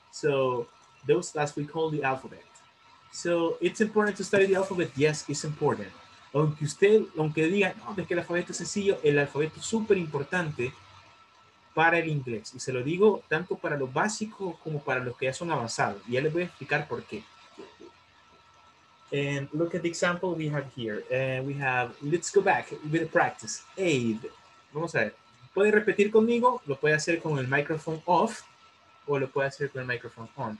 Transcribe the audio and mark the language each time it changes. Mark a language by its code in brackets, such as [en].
[en] So those that we call the alphabet. So it's important to study the alphabet. Yes, it's important. [es] Aunque usted, aunque diga, no, es que el alfabeto es sencillo, el alfabeto es súper importante para el inglés. Y se lo digo tanto para los básicos como para los que ya son avanzados. Y ya les voy a explicar por qué. [en] And look at the example we have here. We have, let's go back with the practice. [es] Aid. Vamos a ver. Puede repetir conmigo, lo puede hacer con el microphone off. O lo puede hacer con el microphone on.